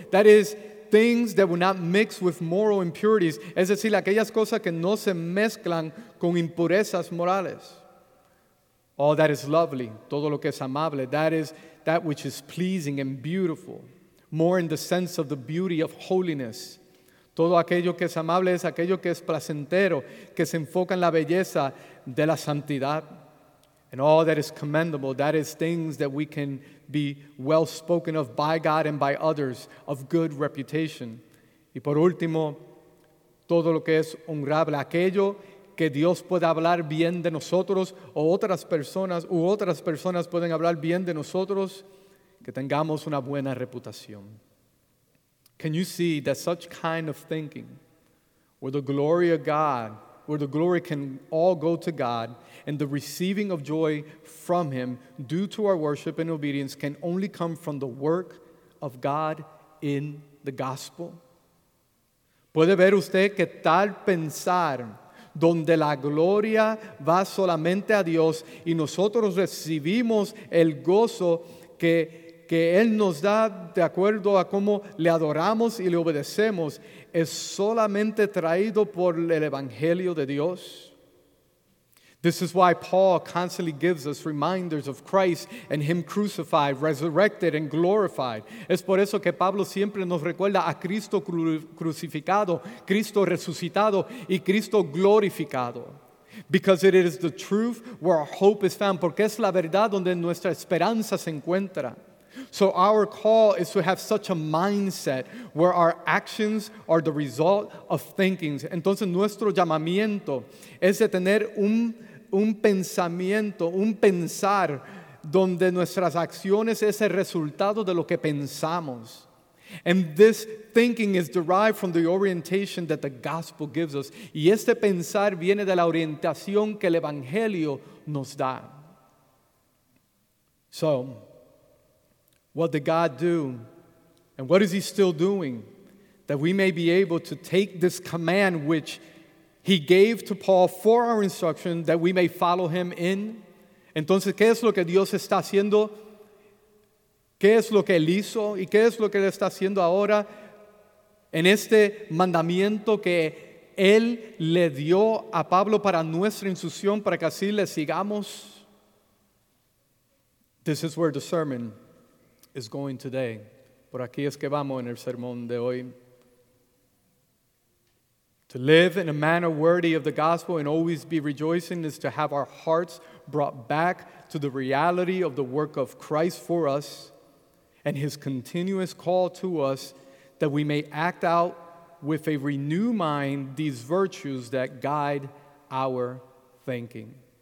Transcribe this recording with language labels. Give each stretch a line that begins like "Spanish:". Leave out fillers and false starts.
English: that is things that will not mix with moral impurities,
Spanish: es decir, aquellas cosas que no se mezclan con impurezas morales.
English: All that is lovely,
Spanish: todo lo que es amable,
English: that is that which is pleasing and beautiful, more in the sense of the beauty of holiness.
Spanish: Todo aquello que es amable es aquello que es placentero, que se enfoca en la belleza de la santidad.
English: And all that is commendable, that is things that we can be well spoken of by God and by others, of good reputation.
Spanish: Y por último, todo lo que es honorable, aquello que Dios pueda hablar bien de nosotros u otras personas pueden hablar bien de nosotros, que tengamos una buena reputación.
English: Can you see that such kind of thinking, where the glory of God, where the glory can all go to God, and the receiving of joy from Him due to our worship and obedience can only come from the work of God in the gospel?
Spanish: ¿Puede ver usted que tal pensar donde la gloria va solamente a Dios y nosotros recibimos el gozo que Él nos da de acuerdo a cómo le adoramos y le obedecemos, es solamente traído por el Evangelio de Dios.
English: This is why Paul constantly gives us reminders of Christ and Him crucified, resurrected, and glorified.
Spanish: Es por eso que Pablo siempre nos recuerda a Cristo crucificado, Cristo resucitado, y Cristo glorificado.
English: Because it is the truth where our hope is found.
Spanish: Porque es la verdad donde nuestra esperanza se encuentra.
English: So our call is to have such a mindset where our actions are the result of thinkings.
Spanish: Entonces nuestro llamamiento es de tener un pensamiento, un pensar donde nuestras acciones es el resultado de lo que pensamos.
English: And this thinking is derived from the orientation that the gospel gives us.
Spanish: Y este pensar viene de la orientación que el evangelio nos da.
English: So what did God do, and what is He still doing, that we may be able to take this command which He gave to Paul for our instruction, that we may follow Him in?
Spanish: Entonces, ¿qué es lo que Dios está haciendo? ¿Qué es lo que Él hizo? ¿Y qué es lo que Él está haciendo ahora en este mandamiento que Él le dio a Pablo para nuestra instrucción, para que así le sigamos?
English: This is where the sermon is going today.
Spanish: Por aquí es que vamos en el sermón de hoy.
English: To live in a manner worthy of the gospel and always be rejoicing is to have our hearts brought back to the reality of the work of Christ for us and His continuous call to us, that we may act out with a renewed mind these virtues that guide our thinking.